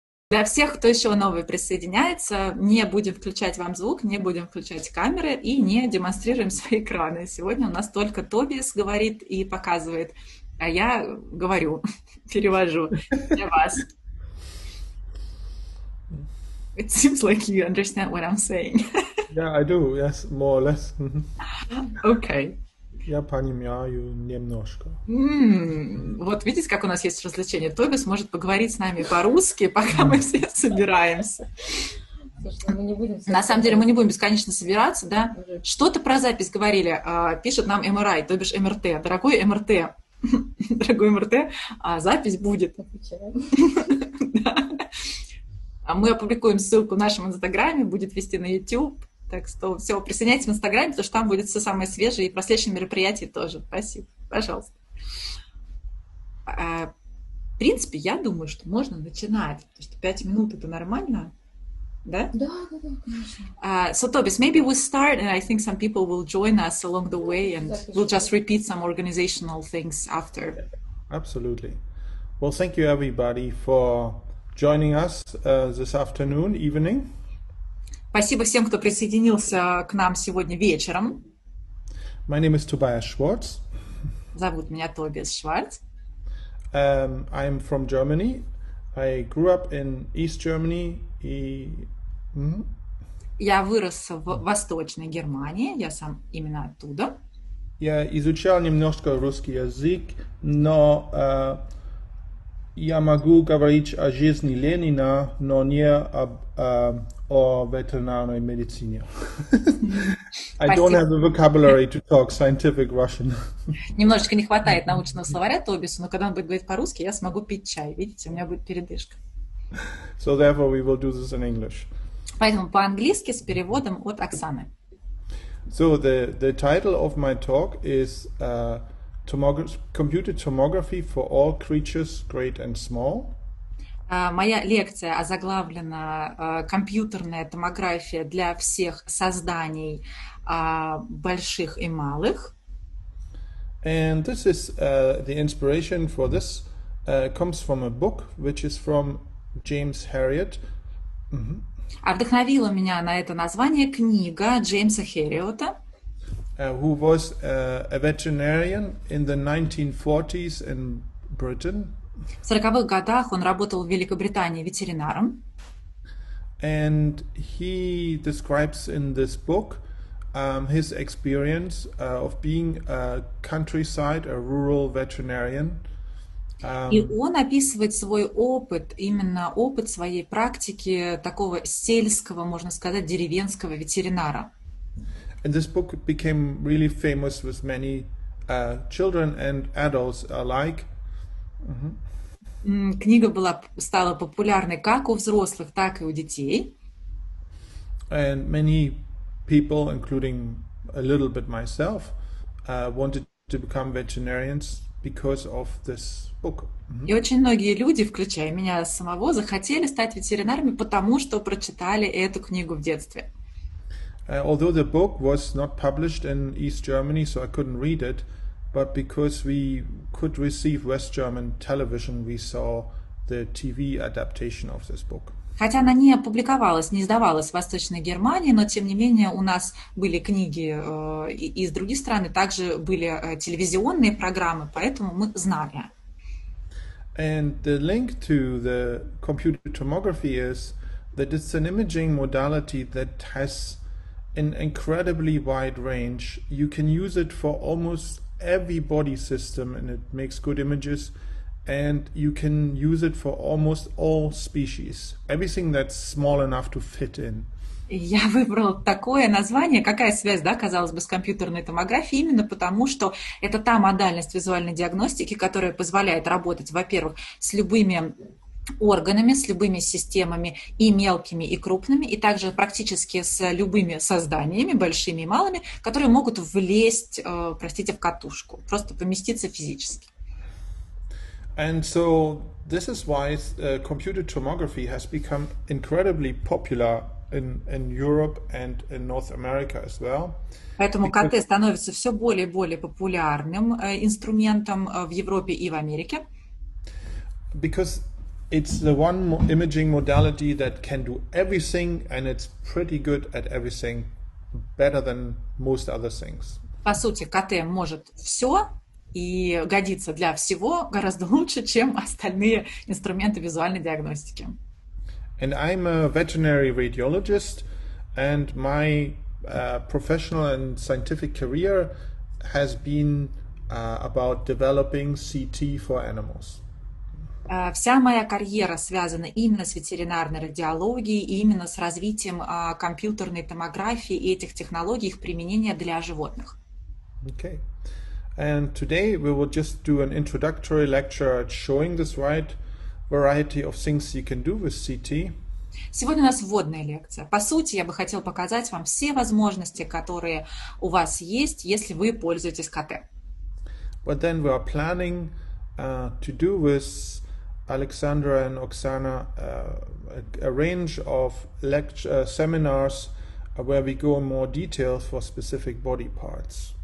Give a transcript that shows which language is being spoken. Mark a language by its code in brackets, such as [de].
[ru] Для всех, кто еще новый присоединяется, не будем включать вам звук, не будем включать камеры и не демонстрируем свои экраны. Сегодня у нас только Тобис говорит и показывает, а я говорю, перевожу для вас. [en] It seems like you understand what I'm saying. Yeah, I do, yes, more or less. Okay. [ru] Я понимаю немножко. Вот видите, как у нас есть развлечение. Тобис может поговорить с нами по-русски, пока мы все собираемся. На самом деле мы не будем бесконечно собираться, да? Что-то про запись говорили. Пишет нам MRI, то бишь МРТ. Дорогой МРТ, дорогой МРТ, запись будет. А мы опубликуем ссылку в нашем инстаграме, будет вести на YouTube. Так что все, присоединяйтесь в инстаграме, потому что там будет все самое свежее и про следующие мероприятия тоже. Спасибо. Пожалуйста. В принципе, я думаю, что можно начинать, потому что 5 минут это нормально, да? Да, да, конечно. [en] So, Tobias, maybe we start, and I think some people will join us along the way, and we'll just repeat some organizational things after. Absolutely. Well, thank you everybody for joining us this afternoon, evening. [ru] Спасибо всем, кто присоединился к нам сегодня вечером. [en] My name is Tobias Schwartz. [ru] Зовут меня Тобиас Шварц. [en] I'm from Germany. I grew up in East Germany. [ru] И... [en] Mm-hmm. [ru] Я вырос в Восточной Германии. Я сам именно оттуда. Я изучал немножко русский язык, но я могу говорить о жизни Ленина, но не об... о ветеринарной медицине. [en] I don't have the vocabulary to talk scientific Russian. [ru] Немножечко не хватает научного словаря Тобису, но когда он будет говорить по-русски, я смогу пить чай. Видите, у меня будет передышка. [en] So therefore we will do this in English. [ru] Поэтому по-английски с переводом от Оксаны. [en] So the title of my talk is computed tomography for all creatures great and small. [ru] Моя лекция озаглавлена «Компьютерная томография для всех созданий больших и малых». [en] And this is the inspiration for this comes from a book, which is from James Herriot. Mm-hmm. [ru] А вдохновила меня на это название книга Джеймса Херриота. [en] Who was a veterinarian in the 1940s in Britain. [ru] В 40-х годах он работал в Великобритании ветеринаром. [en] And he describes in this book his experience of being a countryside, a rural veterinarian. [ru] И он описывает свой опыт, именно опыт своей практики такого сельского, можно сказать, деревенского ветеринара. [en] And this book became really famous with many children and adults alike. Mm-hmm. [ru] Книга стала популярной как у взрослых, так и у детей. [en] And many people, including a little bit myself, wanted to become veterinarians because of this book. Mm-hmm. [ru] И очень многие люди, включая меня самого, захотели стать ветеринарами, потому что прочитали эту книгу в детстве. [en] Although the book was not published in East Germany, so I couldn't read it, but because we could receive West German television, we saw the TV adaptation of this book. [ru] Хотя она не опубликовалась, не издавалась в Восточной Германии, но тем не менее у нас были книги из других стран, также были телевизионные программы, поэтому мы знали. [en] And the link to the computed tomography is that it's an imaging modality that has an incredibly wide range. You can use it for almost every body system, and it makes good images, and you can use it for almost all species, everything that's small enough to fit in. [ru] Я выбрал такое название, какая связь, да, казалось бы, с компьютерной томографией, именно потому, что это та модальность визуальной диагностики, которая позволяет работать, во-первых, с любыми органами, с любыми системами, и мелкими, и крупными, и также практически с любыми созданиями, большими и малыми, которые могут влезть, простите, в катушку, просто поместиться физически. [en] And so this is why computed tomography has become incredibly popular in Europe and in North America as well. [ru] Поэтому КТ становится все более и более популярным инструментом в Европе и в Америке. [en] Because It's the one imaging modality that can do everything, and it's pretty good at everything, better than most other things. [ru] По сути, КТ может все и годится для всего гораздо лучше, чем остальные инструменты визуальной диагностики. [en] And I'm a veterinary radiologist, and my professional and scientific career has been about developing CT for animals. [ru] Вся моя карьера связана именно с ветеринарной радиологией и именно с развитием компьютерной томографии и этих технологий, их применения для животных. [en] Okay. And today we will just do an introductory lecture showing this wide variety of things you can do with CT. [ru] Сегодня у нас вводная лекция. По сути, я бы хотел показать вам все возможности, которые у вас есть, если вы пользуетесь КТ. [en] But then we are planning to do with Alexandra and Oksana a range of lecture seminars where we go in more detail for specific body parts.